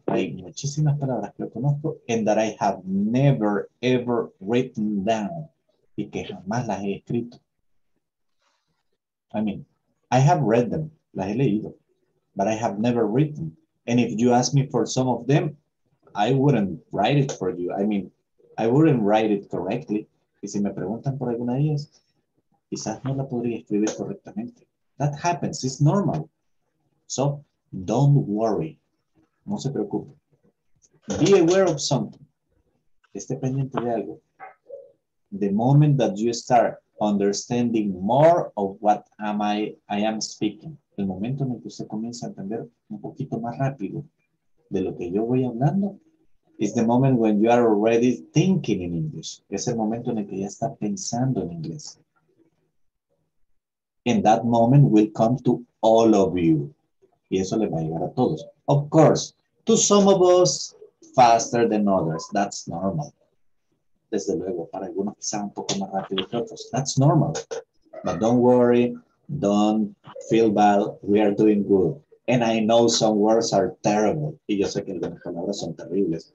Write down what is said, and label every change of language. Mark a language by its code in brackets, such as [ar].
[es] Hay muchísimas palabras que yo conozco [en] and that I have never ever written down. [es] Y que jamás las he escrito. [en] I mean, I have read them, [es] las he leído, [en] but I have never written. And if you ask me for some of them, I wouldn't write it for you. I mean, I wouldn't write it correctly. [es] Y si me preguntan por alguna de ellas, quizás no la podría escribir correctamente. [en] That happens, it's normal. So, don't worry. [es] No se preocupe. [en] Be aware of something. [es] Esté pendiente de algo. [en] The moment that you start understanding more of what I am speaking. [es] El momento en el que usted comienza a entender un poquito más rápido de lo que yo voy hablando [en] is the moment when you are already thinking in English. [es] Es el momento en el que ya está pensando en inglés. [en] And that moment will come to all of you. [es] Y eso le va a llegar a todos. [en] Of course, to some of us faster than others. That's normal. [es] Desde luego, para algunos quizá un poco más rápido que otros. [en] That's normal. But don't worry. Don't feel bad. We are doing good. And I know some words are terrible. [es] Y yo sé que algunas palabras son terribles.